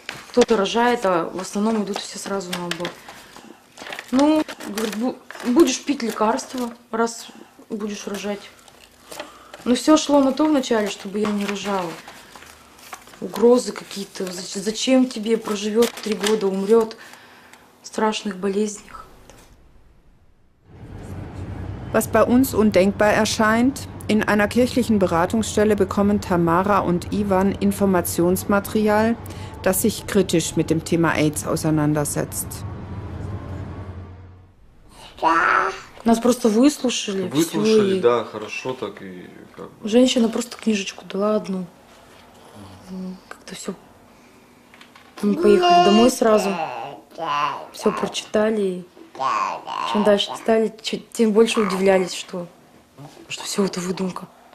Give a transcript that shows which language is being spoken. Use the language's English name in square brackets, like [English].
[Russian] Кто-то рожает, а в основном идут все сразу на аборт. Ну, говорит, будешь пить лекарства, раз будешь рожать. Но все шло на то вначале, чтобы я не рожала. Угрозы какие-то, зачем тебе, проживет 3 года, умрет в страшных болезнях. [German] Was bei uns undenkbar erscheint, in einer kirchlichen Beratungsstelle bekommen Tamara und Ivan Informationsmaterial, das sich kritisch mit dem Thema AIDS auseinandersetzt. Ja. [Russian] Нас просто выслушали. Выслушали, да, хорошо так и как бы. Женщина просто книжечку дала одну. Как-то все. Мы поехали домой сразу. Все прочитали. И чем дальше читали, тем больше удивлялись, что все это выдумка.